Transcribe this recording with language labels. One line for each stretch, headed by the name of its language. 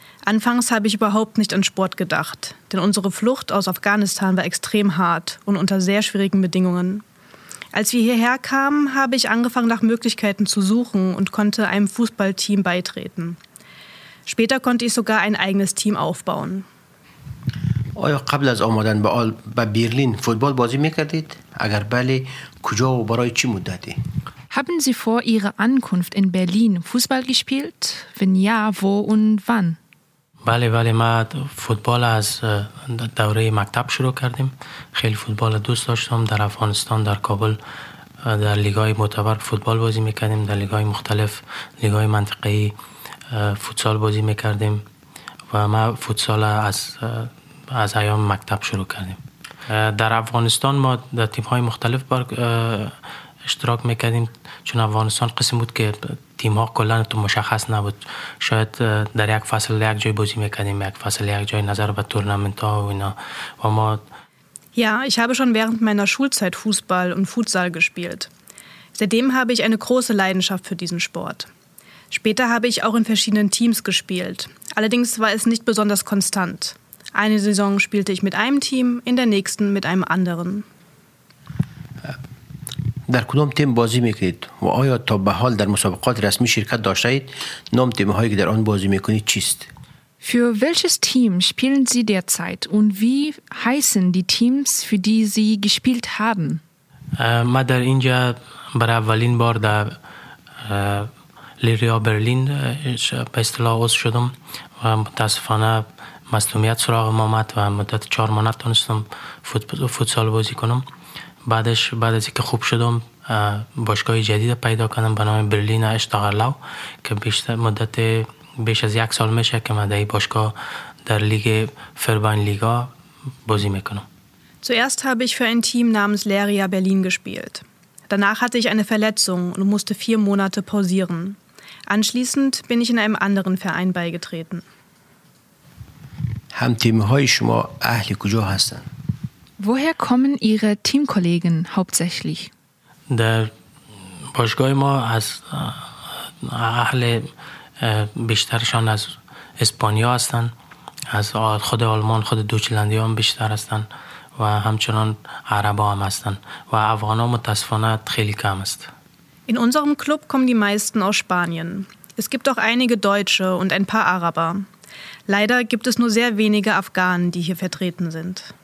German: Anfangs habe ich überhaupt nicht an Sport gedacht, denn unsere Flucht aus Afghanistan war extrem hart und unter sehr schwierigen Bedingungen. Als wir hierher kamen, habe ich angefangen, nach Möglichkeiten zu suchen und konnte einem Fußballteam beitreten. Später konnte ich sogar ein eigenes Team aufbauen.
Persian: آیا قبل از آمدن به برلین فوتبال بازی میکردید؟ اگر بله کجا و برای چی مدتی؟
German: Haben Sie vor Ihrer Ankunft in Berlin Fußball gespielt? Wenn ja, wo und wann?
Persian: بله بله من فوتبال از دوره مکتب شروع کردیم. خیلی فوتبال دوست داشتم. در افغانستان در کابل در لیگای معتبر فوتبال بازی میکردیم. در لیگای مختلف لیگای منطقه‌ای فوتسال بازی میکردیم. و من فوتسال از ایام مکتب شروع کردیم. در افغانستان ما در تیم‌های مختلف اشتراک میکردیم چون افغانستان قسم بود که تیم‌ها کلن تو مشخص نبود. شاید در یک فصل یک جای بازی میکردیم یک فصل یک جای نظر به تورنمنت‌ها و اینا. و ما
German: Ja, ich habe schon während meiner Schulzeit Fußball und Futsal gespielt. Seitdem habe ich eine große Leidenschaft für diesen Sport. Später habe ich auch in verschiedenen Teams gespielt. Allerdings war es nicht besonders konstant. Eine Saison spielte ich mit einem Team, in der nächsten mit einem anderen.
Persian: در کدام تیم بازی میکنید و آیا تا به حال در مسابقات رسمی شرکت داشتید؟ نام تیم‌هایی که در آن بازی میکنید چیست؟
German: Für welches Team spielen Sie derzeit und wie heißen die Teams, für die Sie gespielt haben?
Persian: ما در اینجا برای اولین بار در لیریا برلین به اصطلاح عضو شدم و متاسفانه مصدومیت سراغ ما آمد و مدت 4 ماه نتونستم فوتسال بازی کنم بعدش بعد از اینکه خوب شدم باشگاه جدید پیدا کردم به نام برلین اشتاغرلو که بیشتر مدت بیش از یک سال میشه که من در این باشگاه در لیگ فربان لیگا بازی میکنم
German: Zuerst habe ich für ein Team namens Leria Berlin gespielt. Danach hatte ich eine Verletzung und musste 4 Monate pausieren. Anschließend bin ich in einem anderen Verein beigetreten.
Persian: هم‌تیم‌های شما اهل کجا هستند؟
German: Woher kommen Ihre Teamkollegen hauptsächlich?
Persian: در باشگاه ما از اهل بیشترشان از اسپانیا هستند، از خود آلمان، خود دوچلندی هم بیشتر هستند و همچنان عربا هم هستند و افغان ها متاسفانه خیلی کم است.
German: In unserem Club kommen die meisten aus Spanien. Es gibt auch einige Deutsche und ein paar Araber. Leider gibt es nur sehr wenige Afghanen, die hier vertreten sind.